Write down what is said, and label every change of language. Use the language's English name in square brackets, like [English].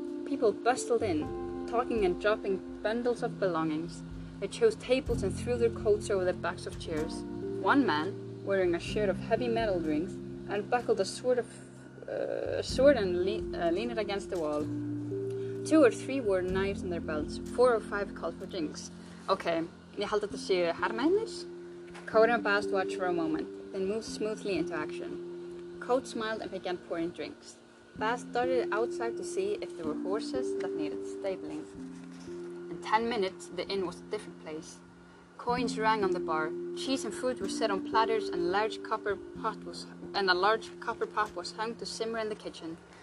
[English] People bustled in, talking and dropping bundles of belongings. They chose tables and threw their coats over the backs of chairs. One man, wearing a shirt of heavy metal rings, unbuckled a sword and lean it against the wall. Two or three wore knives in their belts. Four or five called for drinks. [Icelandic] Okay, ég held að það sé hermennir? [English] Kot and Bast watched for a moment, then moved smoothly into action. Kot smiled and began pouring drinks. Bast darted outside to see if there were horses that needed stabling. In 10 minutes, the inn was a different place. Coins rang on the bar. Cheese and food were set on platters, and a large copper pot was hung to simmer in the kitchen.